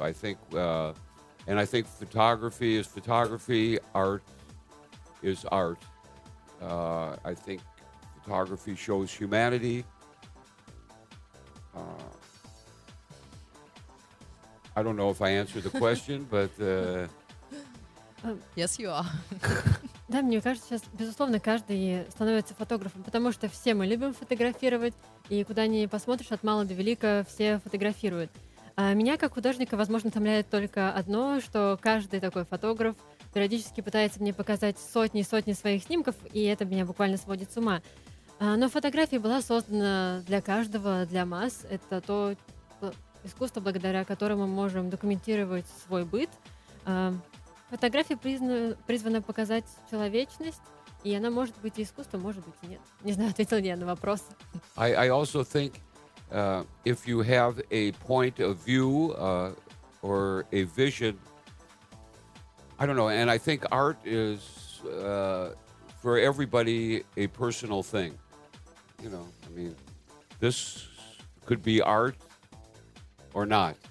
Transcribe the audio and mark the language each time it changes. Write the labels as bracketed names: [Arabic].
[English] I think, and I think photography is photography, art is art. I think photography shows humanity. I don't know if I answered the question, but... Yes, you are. [Russian] Да, мне кажется, сейчас, безусловно, каждый становится фотографом, потому что все мы любим фотографировать, и куда ни посмотришь, от мала до велика, все фотографируют. А меня, как художника, возможно, утомляет только одно, что каждый такой фотограф периодически пытается мне показать сотни и сотни своих снимков, и это меня буквально сводит с ума. А, но фотография была создана для каждого, для масс. Это то искусство, благодаря которому мы можем документировать свой быт. Фотография призвана показать человечность, и она может быть и искусством, может быть и нет. Не знаю, ответил ли я на вопрос. [English] I also think if you have a point of view or a vision, I don't know, and I think art is for everybody a personal thing. You know, I mean, this could be art or not.